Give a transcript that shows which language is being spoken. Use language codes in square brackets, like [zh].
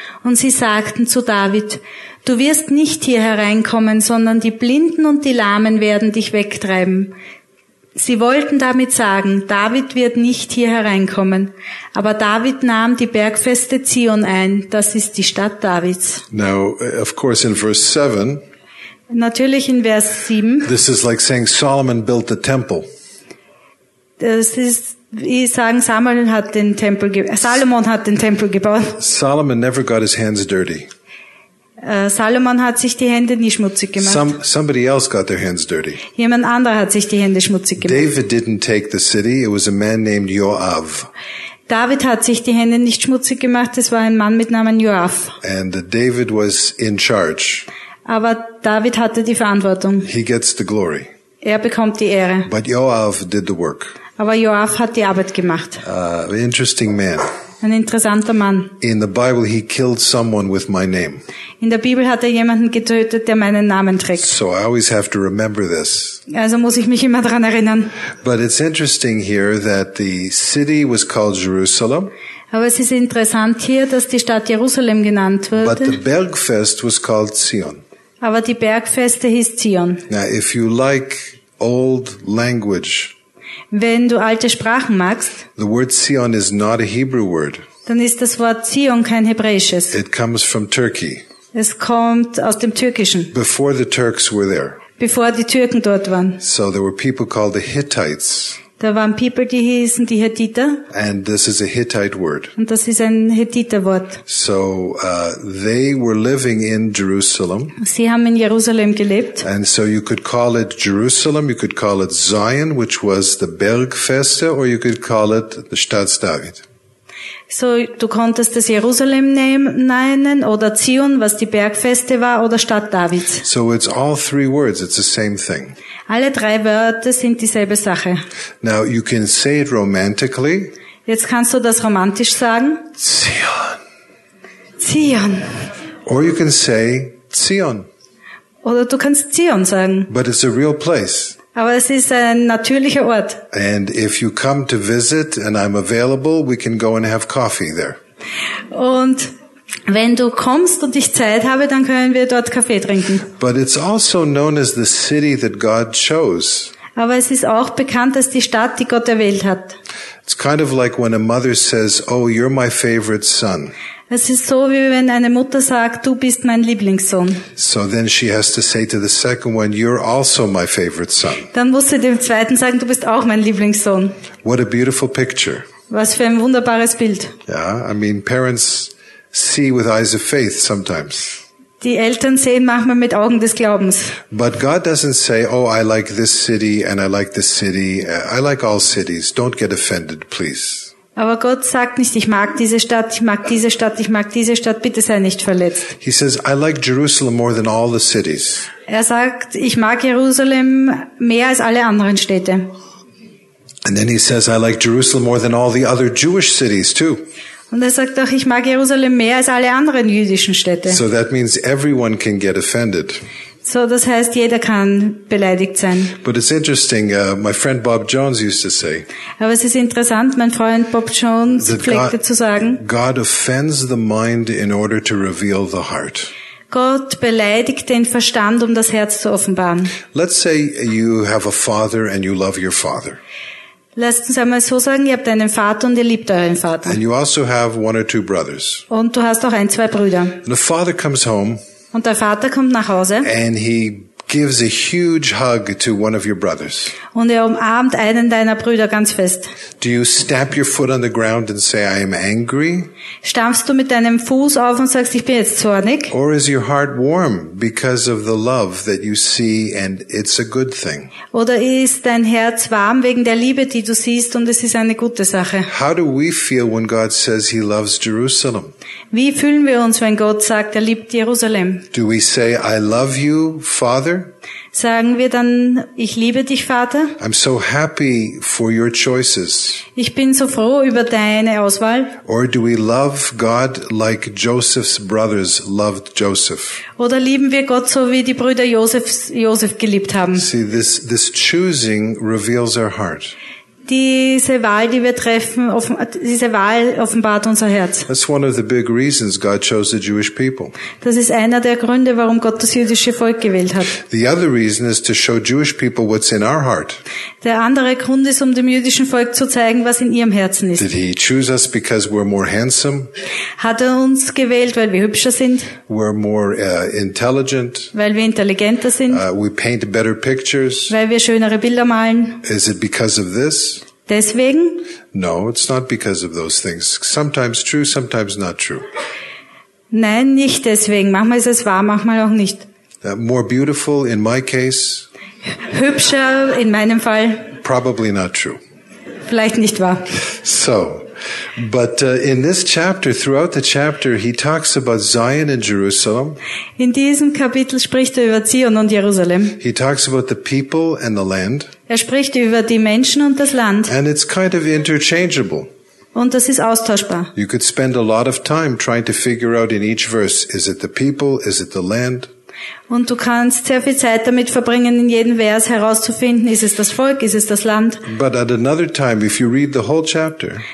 [de] Und sie sagten zu David, du wirst nicht hier hereinkommen, sondern die Blinden und die Lahmen werden dich wegtreiben. Sie wollten damit sagen, David wird nicht hier hereinkommen. Aber David nahm die Bergfeste Zion ein, das ist die Stadt Davids. [en] Now, of course, in verse 7, [de] natürlich in Vers 7, [en] this is like saying Solomon built the temple. [de] Das ist, wie sagen, Salomon hat den Tempel gebaut. [en] Solomon never got his hands dirty. [de] Salomon hat sich die Hände nicht schmutzig gemacht. [en] Somebody else got their hands dirty. [de] Jemand anderer hat sich die Hände schmutzig gemacht. [en] David didn't take the city. It was a man named Joab. [de] David hat sich die Hände nicht schmutzig gemacht. Es war ein Mann mit Namen Joab. [en] And David was in charge. [de] Aber David hatte die Verantwortung. [en] He gets the glory. [de] Er bekommt die Ehre. [en] But Joab did the work. [de] Aber Joab hat die Arbeit gemacht. [en] An interesting man. [de] Ein interessanter Mann. [en] In the Bible, he killed someone with my name. [de] In der Bibel hat er jemanden getötet, der meinen Namen trägt. [en] So I always have to remember this. [de] Also muss ich mich immer daran erinnern. [en] But it's interesting here that the city was called Jerusalem. [de] Aber es ist interessant hier, dass die Stadt Jerusalem genannt wurde. [en] But the Bergfest was called Zion. [de] Aber die Bergfeste hieß Zion. [en] Now, if you like old language. [de] Wenn du alte Sprachen magst, [en] the word Zion is not a Hebrew word. [de] Dann ist das Wort Zion kein hebräisches. [en] It comes from Turkey. [de] Es kommt aus dem Türkischen. [en] Before the Turks were there. [de] Bevor die Türken dort waren. [en] So there were people called the Hittites. [de] Da waren people, die hießen die Hittiter. [en] And this is a Hittite word. [de] Und das ist ein Hittiterwort. [en] So they were living in Jerusalem. [de] Sie haben in Jerusalem gelebt. [en] And so you could call it Jerusalem, you could call it Zion, which was the Bergfeste, or you could call it the [de] Stadt David. So, du konntest das Jerusalem nennen oder Zion, was die Bergfeste war, oder Stadt Davids. [en] So it's all three words, it's the same thing. [de] Alle drei Wörter sind dieselbe Sache. [en] Now you can say it romantically. [de] Jetzt kannst du das romantisch sagen. [en] Zion. [de] Zion. [en] Or you can say Zion. [de] Oder du kannst Zion sagen. [en] But it's a real place. [de] Aber es ist ein natürlicher Ort. [en] And if you come to visit and I'm available, we can go and have coffee there. [de] Und wenn du kommst und ich Zeit habe, dann können wir dort Kaffee trinken. [en] But it's also known as the city that God chose. [de] Aber es ist auch bekannt als die Stadt, die Gott erwählt hat. [en] It's kind of like when a mother says, "Oh, you're my favorite son." [de] Es ist so, wie wenn eine Mutter sagt, du bist mein Lieblingssohn. [en] So then she has to say to the second one, "You're also my favorite son." [de] Dann muss sie dem zweiten sagen, du bist auch mein Lieblingssohn. [en] What a beautiful picture. [de] Was für ein wunderbares Bild. [en] Yeah, I mean, parents see with eyes of faith sometimes. [de] Die Eltern sehen manchmal mit Augen des Glaubens. [en] But God doesn't say, "Oh, I like this city and I like this city. I like all cities. Don't get offended, please." [de] Aber Gott sagt nicht, ich mag diese Stadt, ich mag diese Stadt, ich mag diese Stadt. Bitte sei nicht verletzt. [en] He says, "I like Jerusalem more than all the cities." [de] Er sagt, ich mag Jerusalem mehr als alle anderen Städte. [en] And then he says, "I like Jerusalem more than all the other Jewish cities too." [de] Und er sagt auch, ich mag Jerusalem mehr als alle anderen jüdischen Städte. [en] So that means everyone can get offended. [de] So, das heißt, jeder kann beleidigt sein. [en] But it's interesting, my friend Bob Jones used to say. [de] Aber es ist interessant, mein Freund Bob Jones pflegte zu sagen. [en] God offends the mind in order to reveal the heart. [de] Gott beleidigt den Verstand, um das Herz zu offenbaren. [en] Let's say you have a father and you love your father. [de] Lasst uns einmal so sagen, ihr habt einen Vater und ihr liebt euren Vater. [en] And you also have one or two brothers. [de] Und du hast auch ein, zwei Brüder. [en] And the father comes home. [de] Und der Vater kommt nach Hause. [en] And he gives a huge hug to one of your brothers. [de] Und er umarmt einen deiner Brüder ganz fest. [en] Do you stamp your foot on the ground and say, "I am angry"? [de] Stampfst du mit deinem Fuß auf und sagst, ich bin jetzt zornig? [en] Or is your heart warm because of the love that you see and it's a good thing? [de] Oder ist dein Herz warm wegen der Liebe, die du siehst und es ist eine gute Sache? [en] How do we feel when God says he loves Jerusalem? [de] Wie fühlen wir uns, wenn Gott sagt, er liebt Jerusalem? [en] Do we say, "I love you, Father"? [de] Sagen wir dann, ich liebe dich, Vater. [en] I'm so happy for your choices. [de] Ich bin so froh über deine Auswahl. [en] Or do we love God like Joseph's brothers loved Joseph? [de] Oder lieben wir Gott so, wie die Brüder Josef geliebt haben? [en] See, this choosing reveals our heart. [de] Diese Wahl, die wir treffen, diese Wahl offenbart unser Herz. [en] That's one of the big reasons God chose the Jewish people. [de] Das ist einer der Gründe, warum Gott das jüdische Volk gewählt hat. [en] The other reason is to show Jewish people what's in our heart. [de] Der andere Grund ist, um dem jüdischen Volk zu zeigen, was in ihrem Herzen ist. [en] Did he choose us because we're more handsome? [de] Hat er uns gewählt, weil wir hübscher sind? [en] We're more intelligent. [de] Weil wir intelligenter sind. [en] We paint better pictures. [de] Weil wir schönere Bilder malen. [en] Is it because of this? [de] Deswegen? [en] No, it's not because of those things. Sometimes true, sometimes not true. [de] Nein, nicht deswegen. Manchmal ist es wahr, manchmal auch nicht. [en] More beautiful in my case. [de] Hübscher in meinem Fall. [en] Probably not true. [de] Vielleicht nicht wahr. [en] So, but in this chapter, throughout the chapter, he talks about Zion and Jerusalem. [de] In diesem Kapitel spricht er über Zion und Jerusalem. [en] He talks about the people and the land. [de] Er spricht über die Menschen und das Land. [en] And it's kind of interchangeable. [de] Und das ist austauschbar. [en] You could spend a lot of time trying to figure out in each verse, is it the people, is it the land? [de] Und du kannst sehr viel Zeit damit verbringen, in jedem Vers herauszufinden, ist es das Volk, ist es das Land. [en] But at another time, if you read the whole chapter,